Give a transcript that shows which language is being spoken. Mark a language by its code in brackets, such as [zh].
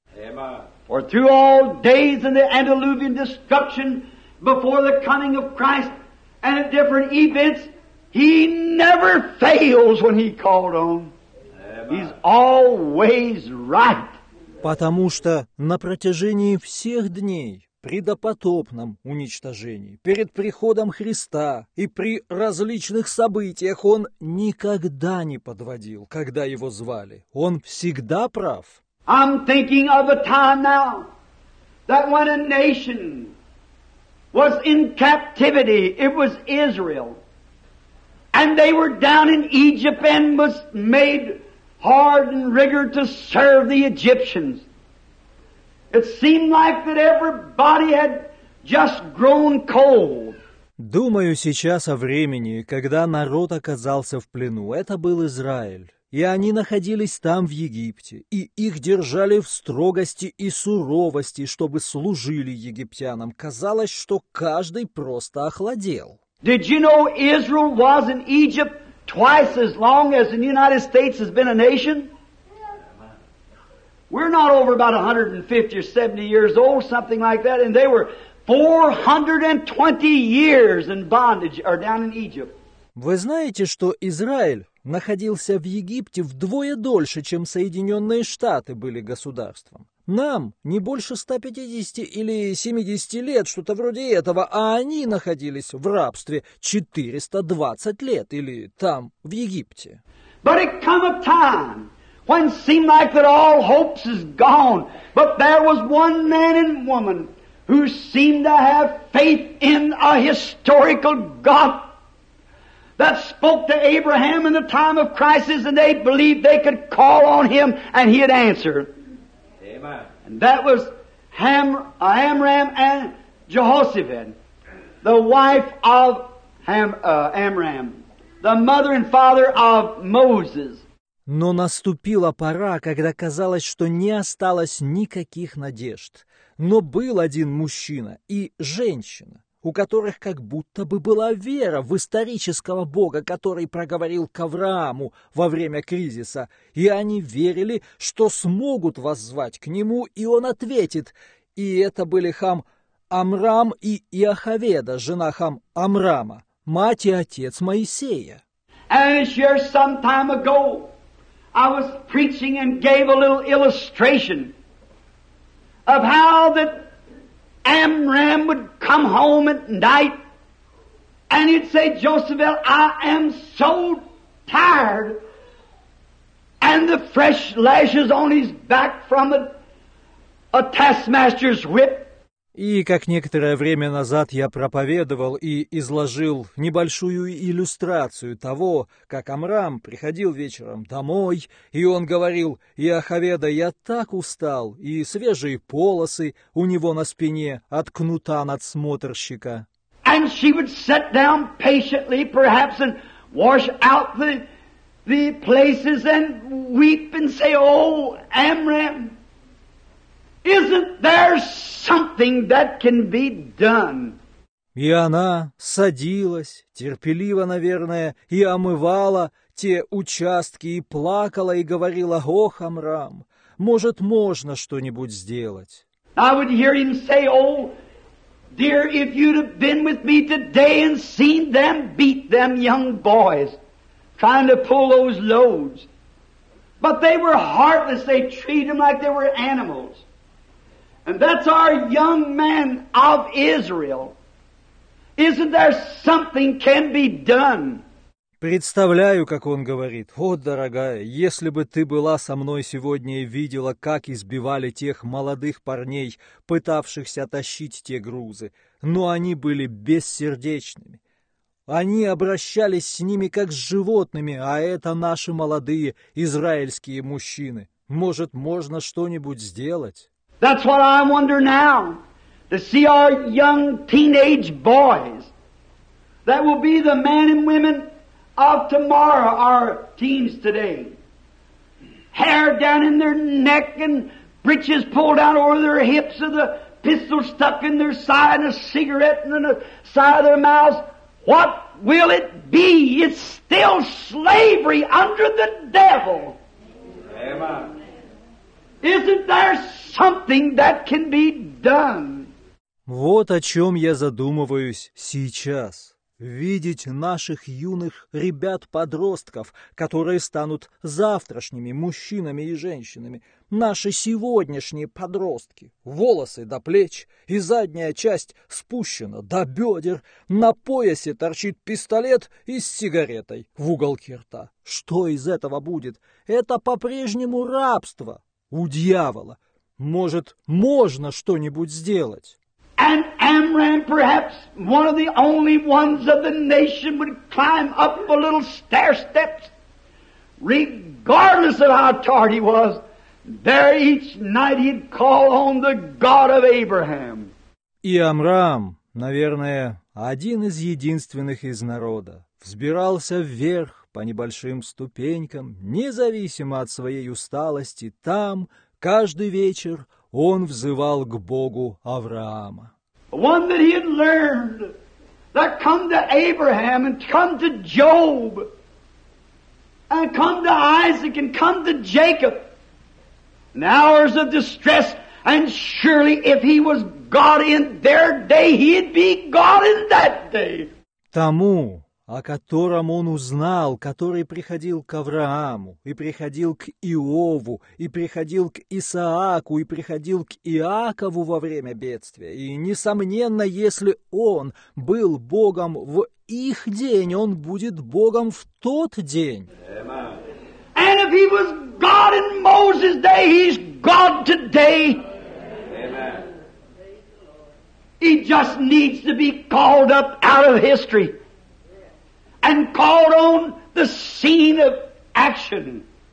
[en] Amen. For through all days in the antediluvian destruction before the coming of Christ and at different events, He never fails when He called on. He's always right. [ru] Потому что на протяжении всех дней, при допотопном уничтожении, перед приходом Христа и при различных событиях Он никогда не подводил, когда Его звали. Он всегда прав. [en] I'm thinking of a time now that when a nation was in captivity, it was Israel. And they were down in Egypt and was made hard and rigor to serve the Egyptians. It seemed like that everybody had just grown cold. [ru] Думаю сейчас о времени, когда народ оказался в плену. Это был Израиль. И они находились там, в Египте, и их держали в строгости и суровости, чтобы служили египтянам. Казалось, что каждый просто охладел. [en] Did you know Israel was in Egypt twice as long as the United States has been a nation? We're not over about 150 or 70 years old, something like that, and they were 420 years in bondage or down in Egypt. [ru] Вы знаете, что Израиль находился в Египте вдвое дольше, чем Соединенные Штаты были государством. Нам не больше 150 или 70 лет, что-то вроде этого, а они находились в рабстве 420 лет или там, в Египте. [en] But it come a time when seemed like that all hopes is gone, but there was one man and woman who seemed to have faith in a historical God that spoke to Abraham in the time of crisis, and they believed they could call on him and he'd answer. Amen. And that was Amram and Jehoshaphat, the wife of Amram, the mother and father of Moses. [ru] Но наступила пора, когда казалось, что не осталось никаких надежд. Но был один мужчина и женщина, у которых как будто бы была вера в исторического Бога, который проговорил к Аврааму во время кризиса. И они верили, что смогут воззвать к нему, и он ответит. И это были Хам Амрам и Иоховеда, жена Хам Амрама, мать и отец Моисея. [en] Some time ago I was preaching and gave a little illustration of how that Amram would come home at night and he'd say, Joseph, I am so tired, and the fresh lashes on his back from a taskmaster's whip. [ru] И как некоторое время назад я проповедовал и изложил небольшую иллюстрацию того, как Амрам приходил вечером домой, и он говорил: «Иоховеда, я так устал, и свежие полосы у него на спине от кнута надсмотрщика». [en] And she would sit down patiently, perhaps, and wash out the places and weep and say, «Oh, Amram, isn't there something that can be done?» [ru] И она садилась, терпеливо, наверное, и омывала те участки, и плакала, и говорила: «Ох, Амрам, может, можно что-нибудь сделать?» [en] I would hear him say, «Oh, dear, if you'd have been with me today and seen them beat them young boys, trying to pull those loads. But they were heartless, they treated them like they were animals. And that's our young man of Israel. Isn't there something can be done?» [ru] Представляю, как он говорит: «О, дорогая, если бы ты была со мной сегодня и видела, как избивали тех молодых парней, пытавшихся тащить те грузы, но они были бессердечными. Они обращались с ними как с животными, а это наши молодые израильские мужчины. Может, можно что-нибудь сделать?» [en] That's what I wonder now, to see our young teenage boys that will be the men and women of tomorrow, our teens today, hair down in their neck and breeches pulled out over their hips and the pistol stuck in their side and a cigarette in the side of their mouths. What will it be? It's still slavery under the devil. Amen. Isn't there something that can be done? [ru] Вот о чем я задумываюсь сейчас. Видеть наших юных ребят-подростков, которые станут завтрашними мужчинами и женщинами. Наши сегодняшние подростки. Волосы до плеч, и задняя часть спущена до бедер. На поясе торчит пистолет и с сигаретой в уголке рта. Что из этого будет? Это по-прежнему рабство у дьявола. Может, можно что-нибудь сделать? [en] Amram, perhaps one of the only ones of the nation, would climb up a little stair steps, regardless of how tardy he was. There each night he'd call on the God of Abraham. [ru] И Амрам, наверное, один из единственных из народа, взбирался вверх по небольшим ступенькам, независимо от своей усталости. Там каждый вечер он взывал к Богу Авраама. [en] One that he had learned that come to Abraham and come to Job and come to Isaac and come to Jacob in hours of distress, and surely if he was God in their day, he'd be God in that day. [ru] Тому, о котором он узнал, который приходил к Аврааму, и приходил к Иову, и приходил к Исааку, и приходил к Иакову во время бедствия. И, несомненно, если он был Богом в их день, он будет Богом в тот день. [en] And if he was God in Moses' day, he's God today. He just needs to be called up out of history and called on the scene of action.